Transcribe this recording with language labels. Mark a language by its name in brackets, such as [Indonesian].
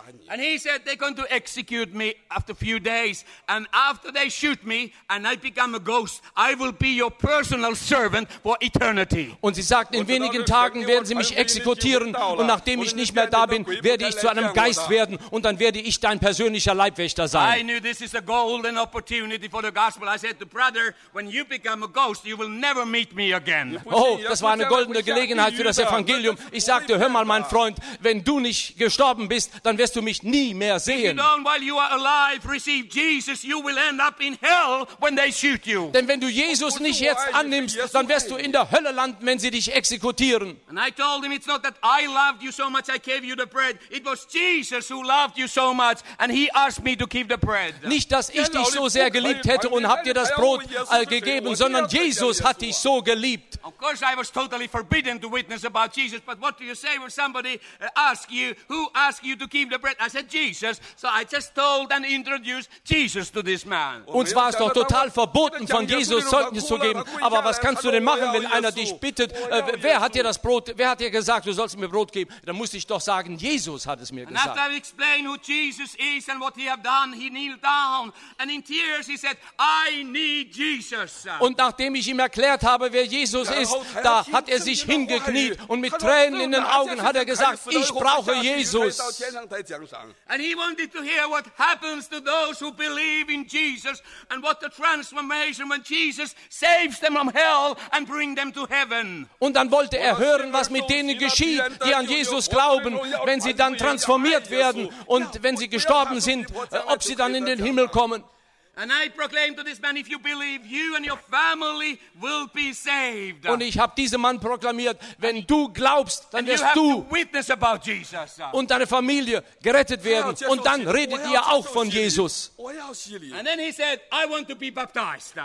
[English] And he said, they're going to execute me after a few days, and after they shoot me and I become a ghost, I will be your personal servant for eternity. [German] Und sie sagten, in wenigen Tagen werden sie mich exekutieren und nachdem ich nicht mehr da bin, werde ich zu einem Geist werden und dann werde ich dein persönlicher Leibwächter sein. [English] I knew this is a golden opportunity for the gospel. I said to brother, when you become a ghost, you will never meet me again. [German] Oh, das war eine goldene Gelegenheit für das Evangelium. Ich sagte, hör mal, mein Freund, wenn du nicht gestorben bist, dann wirst du mich nie mehr sehen. [English] If you don't, while you are alive, receive Jesus, you will end up in hell when they shoot you. [German] Denn wenn du Jesus nicht jetzt annimmst, dann wirst du in der Hölle landen, wenn sie dich exekutieren. [English] And I told him, it's not that I loved you so much, I gave you the bread. It was Jesus who loved you so much, and he asked me to keep the bread. [German] Nicht, dass ich dich so sehr geliebt hätte und habt ihr das Brot gegeben, sondern Jesus hat dich so geliebt. [English] Of course I was totally forbidden to witness about Jesus, but what do you say when somebody asks you, who asks you to keep the bread? I said, Jesus. So I just told and introduced Jesus to this man. [German] Uns war es doch total verboten, von Jesus Zeugnis zu geben, aber was kannst du denn machen, wenn einer dich bittet, wer hat dir das Brot, wer hat dir gesagt, du sollst mir Brot geben? Dann musste ich doch sagen, Jesus hat es mir gesagt. [English] And after I explained who Jesus is and what he have done, he kneeled down and in tears he said, I need Jesus. [German] Und nachdem ich ihm erklärt habe, wer Jesus ist, da hat er sich hingekniet und mit Tränen in den Augen hat er gesagt, ich brauche Jesus. [English] And he wanted to hear what happens to those who believe in Jesus and what the transformation when Jesus saves them from hell and bring them to heaven. [German] Und dann wollte er hören, was mit denen geschieht, die an Jesus glauben, wenn sie dann transformiert werden und wenn sie gestorben sind, ob sie dann in den Himmel kommen. [English] And I proclaimed to this man, if you believe, you and your family will be saved. [German] Und ich habe diesem Mann proklamiert, wenn du glaubst, dann wirst du und deine Familie gerettet werden. Und dann redet ihr auch von Jesus. [English] And then he said, I want to be baptized.